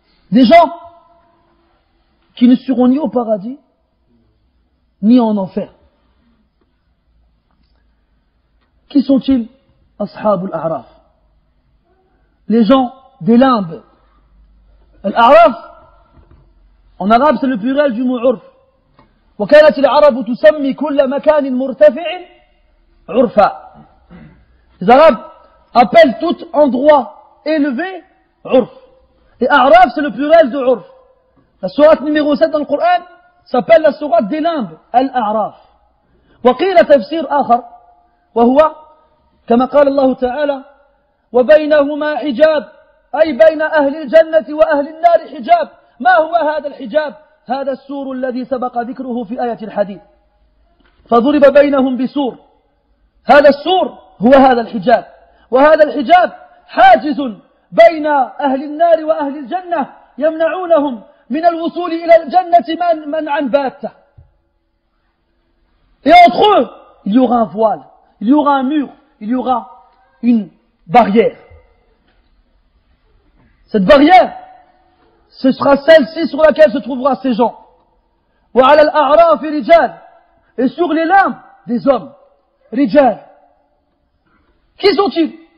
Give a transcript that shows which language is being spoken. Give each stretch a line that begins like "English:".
French: Des gens qui ne seront ni au paradis, ni en enfer. Qui sont-ils?
Arabic: أصحاب الأعراف.
French: Les gens des limbes. الأعراف en arabe c'est le pluriel du mot عرف.
Arabic: وكانت العرب تسمي كل مكان مرتفع عرفا.
French: Les arabes appellent tout endroit élevé عرف. Et أعراف c'est le pluriel de عرف. La sourate numéro 7 dans le Coran s'appelle la sourate des limbes.
Arabic: الأعراف. وقيل تفسير آخر وهو كما قال الله تعالى وبينهما حجاب أي بين أهل الجنة وأهل النار حجاب. ما هو هذا الحجاب؟ هذا السور الذي سبق ذكره في آية الحديث فضرب بينهم بسور. هذا السور هو هذا الحجاب. وهذا الحجاب حاجز بين أهل النار وأهل الجنة يمنعونهم من الوصول إلى الجنة من عن باته.
French: Et entre eux, il y aura un voile, il y aura un mur, il y aura une barrière. Cette barrière, ce sera celle-ci sur laquelle se trouveront ces gens.
Arabic: Wa ala al-a'raf rijal,
French: et sur les lames des hommes, rijal. Qui sont-ils?